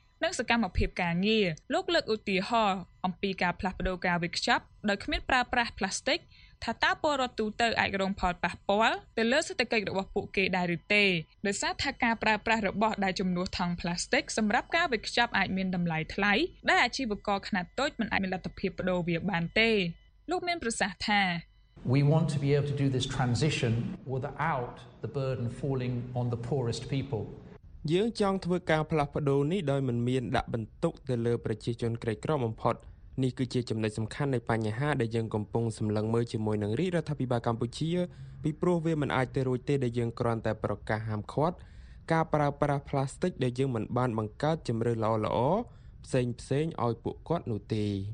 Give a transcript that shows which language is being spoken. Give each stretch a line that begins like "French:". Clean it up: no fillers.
Khmer: និងសកម្មភាពការងារលោកលើកឧទាហរណ៍អំពីការផ្លាស់ប្តូរការវេចខ្ចប់ដោយគ្មានប្រើប្រាស់ផ្លាស្ទិកថាតើពលរដ្ឋទូទៅអាចរងផលប៉ះពាល់ទៅលើសេដ្ឋកិច្ចរបស់ពួកគេដែរឬទេដោយសារថាការប្រើប្រាស់របស់ដែលជំនួសថង់ផ្លាស្ទិកសម្រាប់ការវេចខ្ចប់អាចមានតម្លៃថ្លៃដែលអាជីវករខ្នាតតូចមិនអាចមានលទ្ធភាពប្តូរវាបានទេលោកមានប្រសាសន៍ថា
English: We want to be able to do this transition without the burden falling on the poorest people
Khmer: យើងចង់ធ្វើការផ្លាស់ប្តូរនេះដោយមិនមានដាក់បន្ទុកទៅលើប្រជាជនក្រីក្របំផុតនេះគឺជាចំណុចសំខាន់នៃបញ្ហាដែលយើងកំពុងសម្លឹងមើលជាមួយនឹងរាជរដ្ឋាភិបាលកម្ពុជាពីព្រោះវាមិនអាចទៅរួចទេដែលយើងគ្រាន់តែប្រកាសហាមឃាត់ការប្រើប្រាស់ផ្លាស្ទិកដែលយើងមិនបានបង្កើតជំរឿនល្អៗផ្សេងឲ្យពួកគាត់នោះទេ